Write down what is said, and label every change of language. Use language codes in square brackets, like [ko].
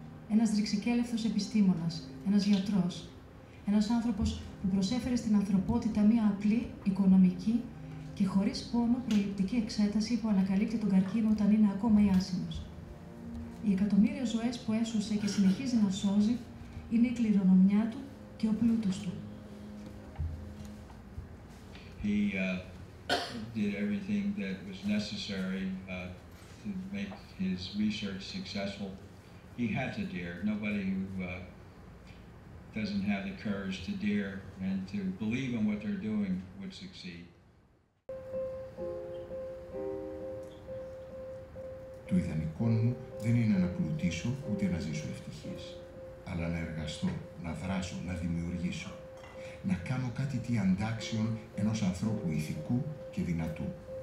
[el] Ένας ρηξικέλευθος επιστήμονας, ένας γιατρός. Ένας άνθρωπος που προσέφερε στην ανθρωπότητα μία απλή, οικονομική και χωρίς πόνο προληπτική εξέταση που ανακαλύπτει τον καρκίνο όταν είναι ακόμα ιάσιμος. Οι εκατομμύρια ζωές που έσωσε και συνεχίζει να σώζει είναι η κληρονομιά του και ο πλούτος του. [en] Did everything that was necessary to make his research successful. He had to dare. Nobody who doesn't have the courage to dare and to believe in what they're doing would succeed. [el] Το ιδανικό μου δεν είναι να πλουτίσω ούτε να ζήσω ευτυχής, αλλά να εργαστώ, να δράσω, να δημιουργήσω. Να κάνω κάτι τι αντάξιον ενός ανθρώπου ηθικού και δυνατού.